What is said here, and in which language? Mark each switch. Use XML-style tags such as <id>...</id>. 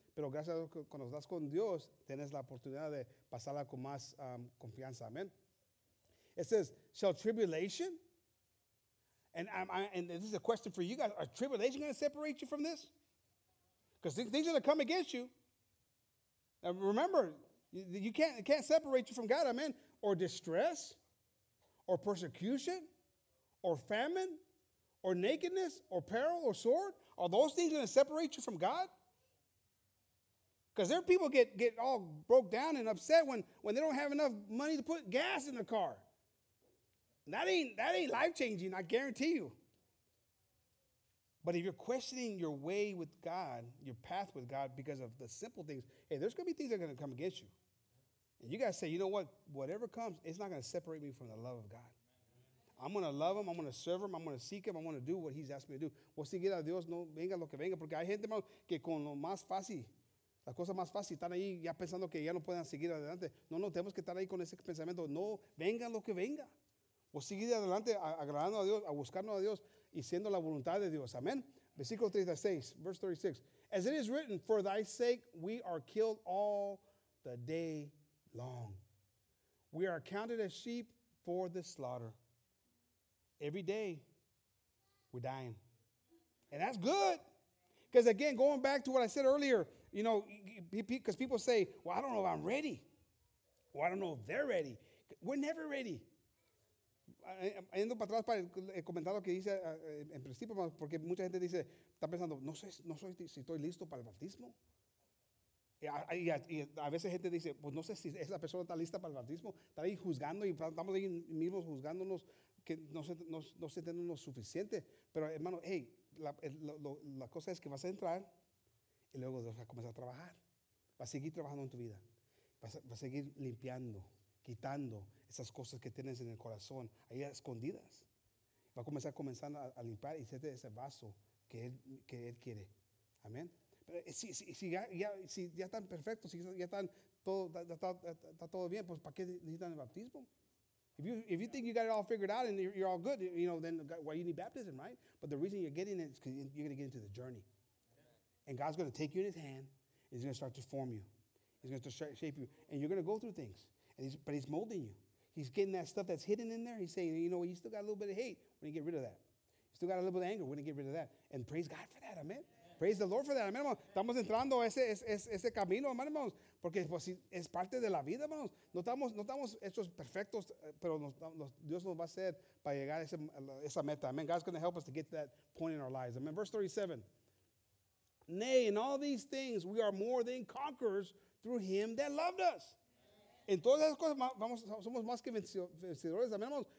<es>Pero gracias a Dios, cuando estás con Dios, tienes la oportunidad de pasarla con más confianza.</es> <en>Amén. It says, shall tribulation... And this is a question for you guys. Are tribulation going to separate you from this? Because things are going to come against you. And remember, you can't separate you from God. Amen. Or distress, or persecution, or famine, or nakedness, or peril, or sword. Are those things going to separate you from God? Because there are people get all broke down and upset when they don't have enough money to put gas in the car. That ain't life-changing, I guarantee you. But if you're questioning your way with God, your path with God, because of the simple things, hey, there's going to be things that are going to come against you. And you got to say, you know what? Whatever comes, it's not going to separate me from the love of God. I'm going to love him. I'm going to serve him. I'm going to seek him. I'm going to do what he's asked me to do.</en> <es>Voy a seguir a Dios. No venga lo que venga. Porque hay gente que con lo más fácil, la cosa más fácil, están ahí ya pensando que ya no pueden seguir adelante. No, tenemos que estar ahí con ese pensamiento. No venga lo que venga. O seguir adelante, agradando a Dios, a buscarnos a Dios, y siendo la voluntad de Dios. Amen. Versículo 36,</es> <en>verse 36. As it is written, for thy sake we are killed all the day long. We are counted as sheep for the slaughter. Every day, we're dying. And that's good. Because again, going back to what I said earlier, you know, because people say, well, I don't know if I'm ready. Well, I don't know if they're ready. We're never ready.</en> <es>Yendo para atrás para el comentario que dice en principio, porque mucha gente dice, está pensando, no sé si estoy listo para el bautismo. Y a veces gente dice, pues no sé si esa persona está lista para el bautismo. Está ahí juzgando y estamos ahí mismos juzgándonos que no sé tenemos lo suficiente. Pero hermano, hey, la cosa es que vas a entrar y luego vas a comenzar a trabajar. Vas a seguir trabajando en tu vida. Vas a seguir limpiando, quitando esas cosas que tienes en el corazón, ahí escondidas. Va a comenzar a limpiar y hacerte ese vaso que él quiere. Amén. Pero si ya están perfectos, si ya están todo, está todo bien, pues ¿para qué necesitan el bautismo?</es> <en>If you think you got it all figured out and you're all good, you know, then why you need baptism, right? But the reason you're getting it is because you're going to get into the journey. And God's going to take you in his hand and he's going to start to form you. He's going to start to shape you. And you're going to go through things, but he's molding you. He's getting that stuff that's hidden in there. He's saying, you know what, you still got a little bit of hate. when you get rid of that. You still got a little bit of anger when you get rid of that. And praise God for that, amen. Yeah. Praise the Lord for that, amen, hermanos.</en> <es>Estamos entrando a ese camino, amen, hermanos. Porque pues, es parte de la vida, hermanos. No estamos hechos perfectos, pero Dios nos va a hacer para llegar a esa meta, amen.</es> <en>God's going to help us to get to that point in our lives, amen. Verse 37. Nay, in all these things, we are more than conquerors through him that loved us.</en> <es>En todas esas cosas, somos más que vencedores, amen, hermanos.</es>